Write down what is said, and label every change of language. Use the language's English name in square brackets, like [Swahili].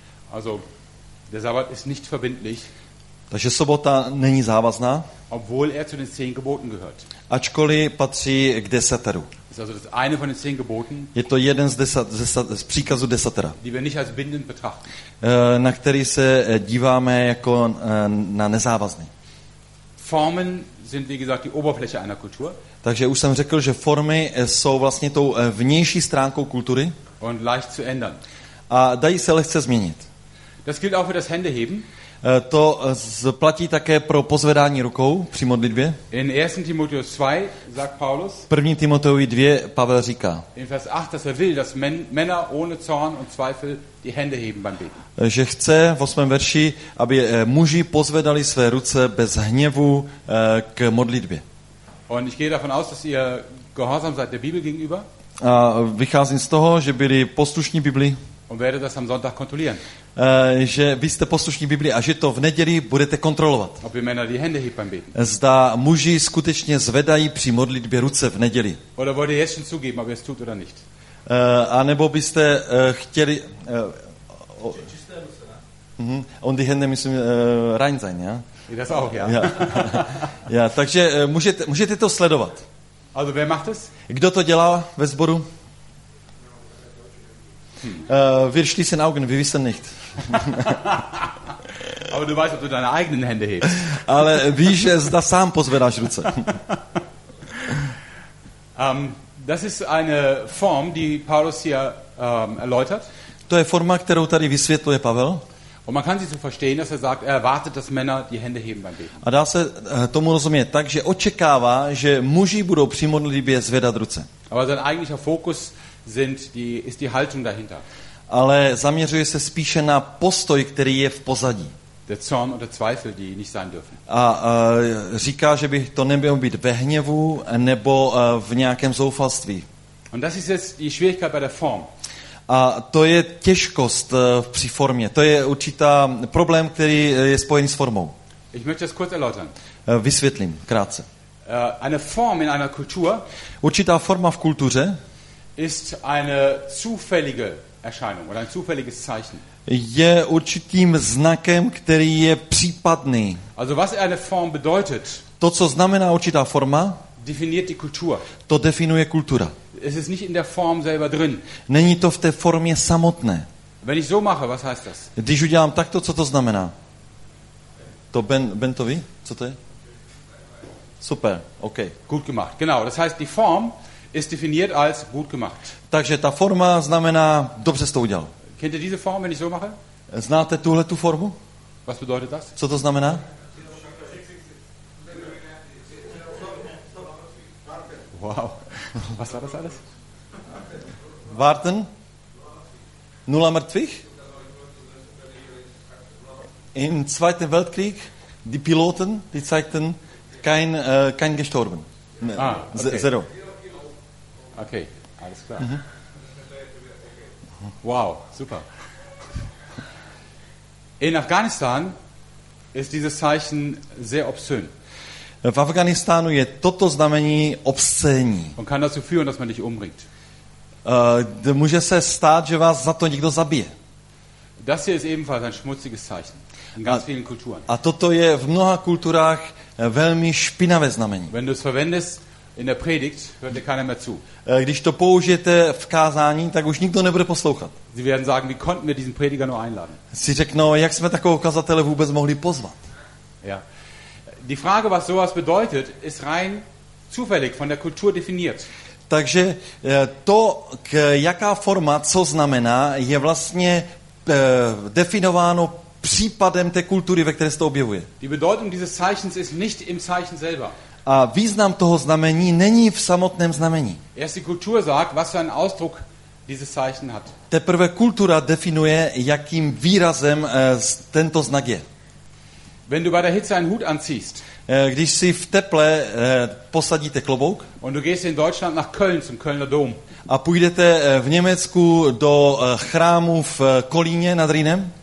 [German] Also, der Sabbat ist nicht verbindlich. [Czech] Takže sobota není závazná. [German] Obwohl er zu den 10 Geboten gehört. [Czech] Ačkoliv patří k desateru. [German] Ist also das eine von den 10 Geboten. [Czech] Je to jeden z příkazů desatera. [German] Die wir nicht als bindend betrachten. [Czech] Na který se díváme jako na nezávazný. [German] Formen sind wie gesagt die Oberfläche einer Kultur. [Czech] Takže už jsem řekl, že formy jsou vlastně tou vnější stránkou kultury. [German] Und leicht zu ändern. [Czech] A dají se lehce změnit. [German] Das gilt auch für das Händeheben. [Czech] To platí také pro pozvedání rukou při modlitbě. [German] In 1. Timotheus 2 sagt Paulus. [Czech] 1. Timoteovi 2 Pavel říká. [German] In Vers 8, dass er will, dass Männer ohne Zorn und Zweifel die Hände heben beim Beten. [Czech] Že chce v 8. verši, aby muži pozvedali své ruce bez hněvu k modlitbě. [German] Und ich gehe davon aus, dass ihr gehorsam seid der Bibel gegenüber. [Czech] A vycházím z toho, že byli poslušní Biblii. [German] Und werde das am Sonntag kontrollieren. [Czech] Že vy jste poslušní Biblii a že to v neděli budete kontrolovat. [German] Ob die Männer die Hände heben beim Beten. [Czech] Zda muži skutečně zvedají při modlitbě ruce v neděli. [German] Oder wollt ihr jetzt schon zugeben, ob ihr es tut oder nicht? [Czech] A nebo byste chtěli... [German] Und die Hände müssen rein sein, ja? Das auch, ja. [Czech] Ja, takže můžete to sledovat. [German] Also wer macht es? [Czech] Kdo to dělá ve sboru? [German] Wir schließen Augen, wir wissen nicht. Aber du weißt, ob du deine eigenen Hände hebst. [Czech] Ale víš, zda sám pozvedáš ruce. [German] Das ist eine Form, die Paulus hier erläutert. [Czech] To je forma, kterou tady vysvětluje Pavel. [German] Und man kann sie so verstehen, dass er sagt, er erwartet, dass Männer die Hände heben beim Beten. [Czech] A dá se tomu rozumět tak, že očekává, že muži budou při modlitbě zvedat ruce. [German] Aber sein eigentlicher Fokus ist die Haltung dahinter. [Czech] Ale zaměřuje se spíše na postoj, který je v pozadí. [German] Der Zorn oder Zweifel, die nicht sein dürfen. [Czech] A říká, že by to nemělo být ve hněvu nebo v nějakém zoufalství. [German] Und das ist jetzt die Schwierigkeit bei der Form. [Czech] A to je těžkost při formě. To je určitá problém, který je spojen s formou. [German] Ich möchte das kurz erläutern. [Czech] Vysvětlím krátce. [German] Eine Form in einer Kultur. [Czech] Určitá forma v kultuře. [German] Ist eine zufällige Erscheinung oder ein zufälliges Zeichen. [Czech] Je určitým znakem, který je případný. [German] Also was eine Form bedeutet. [Czech] To, co znamená určitá forma, [German] definiert die Kultur. [Czech] To definuje kultura. [German] Es ist nicht in der Form selber drin. [Czech] Není to v té formě samotné. [German] Wenn ich so mache, was heißt das? [Czech] Když udělám takto, co to znamená? To Ben to ví? Co to je? Super, okay. [German] Gut gemacht. Genau, das heißt die Form ist definiert als gut gemacht. [Czech] Takže ta forma znamená dobře jsi to udělal. [German] Kennt ihr diese Form, wenn ich so mache? [Czech] Znáte tuhle tu formu? [German] Was bedeutet das? [Czech] Co to znamená? [German] Wow. Was war das alles? [Czech] Warten. Nula mrtvých. [German] Im Zweiten Weltkrieg, die Piloten, die zeigten kein gestorben. Ah, okay. [English] Zero. [German] Okay, alles klar. Wow, super. In Afghanistan ist dieses Zeichen sehr obszön. [Czech] V Afghánistánu je toto znamení obscénní. [German] Und kann dazu führen, dass man dich umbringt. [Czech] Může se stát, že vás za to někdo zabije. [German] Das hier ist ebenfalls ein schmutziges Zeichen. In ganz vielen Kulturen. [Czech] A toto je v mnoha kulturách velmi špinavé znamení. [German] Wenn du es verwendest in der Predigt, hört dir keiner mehr zu. [Czech] Když to použijete v kázání, tak už nikdo nebude poslouchat. [German] Sie werden sagen, wie konnten wir diesen Prediger nur einladen? [Czech] Si řeknou, jak jsme takového kazatele vůbec mohli pozvat? [German] Ja. Die Frage, was sowas bedeutet, ist rein zufällig von der Kultur definiert. [Czech] Takže to, jaká forma, co znamená, je vlastně definováno případem té kultury, ve které se to objevuje. [German] Die Bedeutung dieses Zeichens ist nicht im Zeichen selber. [Czech] A význam toho znamení není v samotném znamení. [German] Erst die Kultur sagt, was für ein Ausdruck dieses Zeichen hat. [Czech] Teprve kultura definuje, jakým výrazem tento znak je. [German] Wenn du bei der Hitze einen Hut anziehst, [Czech] když si v teple posadíte klobouk, [German] und du gehst in Deutschland nach Köln zum Kölner Dom, [Czech] a půjdete v Německu do chrámu v Kolíně nad Rýnem,